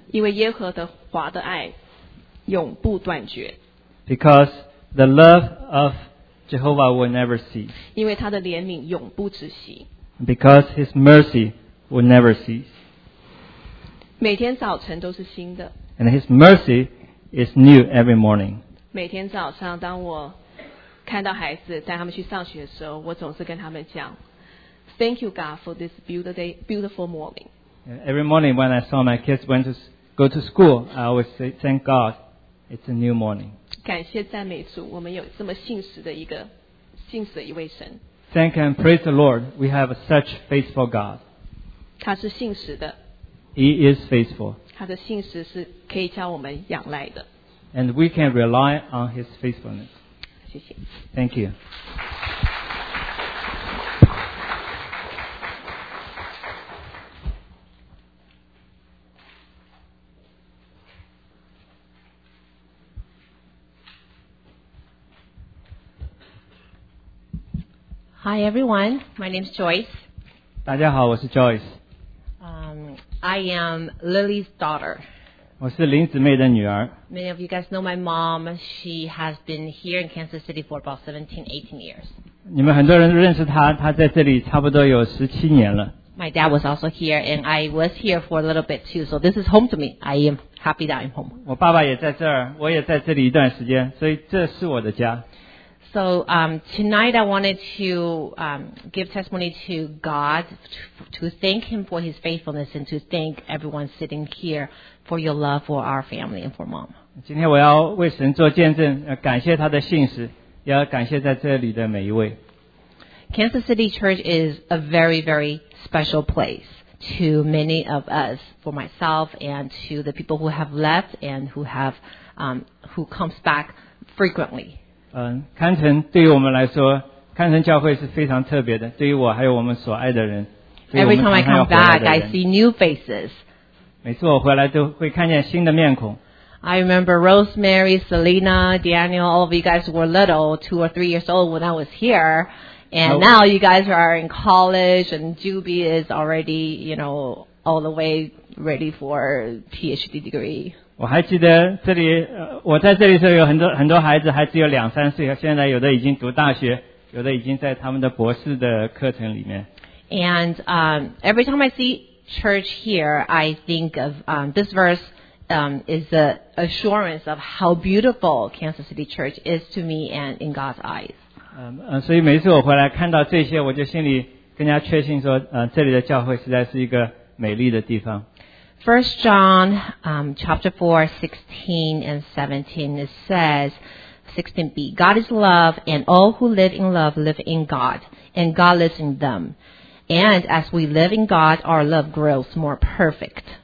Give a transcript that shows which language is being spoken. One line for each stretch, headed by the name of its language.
Chinese: 因为耶和华的爱永不断绝。
English: Because the love of Jehovah will never cease.
Chinese: 因为他的怜悯永不止息。
English: Because his mercy will never cease.
Chinese: 每天早晨都是新的。
English: And his mercy is new every morning.
Chinese: 每天早上当我看到孩子带他们去上学的时候，我总是跟他们讲
English: Thank you God for this beautiful morning. Every morning when I saw my kids went to go to school, I always say thank God it's a new morning.
Chinese: 感谢赞美主，我们有这么信实的一个信实的一位神。
English: Thank and praise the Lord, we have such faithful God.
Chinese: 他是信实的。
English: He is faithful.
Chinese: 他的信实是可以叫我们仰赖的。
English: And we can rely on his faithfulness.
Chinese: 谢谢。
English: Thank you. Hi everyone, my name is Joyce.
Chinese: 大家好，我是 Joyce。
English: I am Lily's daughter.
Chinese: 我是林姊妹的女儿。
English: Many of you guys know my mom. She has been here in Kansas City for about 17, 18 years.
Chinese: 你们很多人认识她，她在这里差不多有17年了。
English: My dad was also here, and I was here for a little bit too. So this is home to me. I am happy that I'm home.
Chinese: 我爸爸也在这儿，我也在这里一段时间，所以这是我的家。
English: So tonight I wanted to give testimony to God, to thank him for his faithfulness and to thank everyone sitting here for your love for our family and for mom.
Chinese: 今天我要为神做见证，感谢他的信实，也要感谢在这里的每一位。
English: Kansas City Church is a very, very special place to many of us, for myself and to the people who have left and who have, who comes back frequently.
Chinese: 堪城对于我们来说，堪城教会是非常特别的。对于我还有我们所爱的人，对于我们常常要回来的人。
English: Every time I come back, I see new faces.
Chinese: 每次我回来都会看见新的面孔。
English: I remember Rosemary, Selena, Daniel, all of you guys were little, 2 or 3 years old when I was here. And now you guys are in college and Juby is already, you know, all the way ready for PhD degree.
Chinese: 我还记得这里，我在这里时候有很多很多孩子，还只有两三岁，现在有的已经读大学，有的已经在他们的博士的课程里面。
English: And every time I see church here, I think of this verse is the assurance of how beautiful Kansas City Church is to me and in God's eyes.
Chinese: 所以每次我回来看到这些，我就心里更加确信说，这里的教会实在是一个美丽的地方。
English: 1 John chapter 4, 16 and 17, it says, 16b, God is love, and all who live in love live in God, and God lives in them. And as we live in God, our love grows more perfect.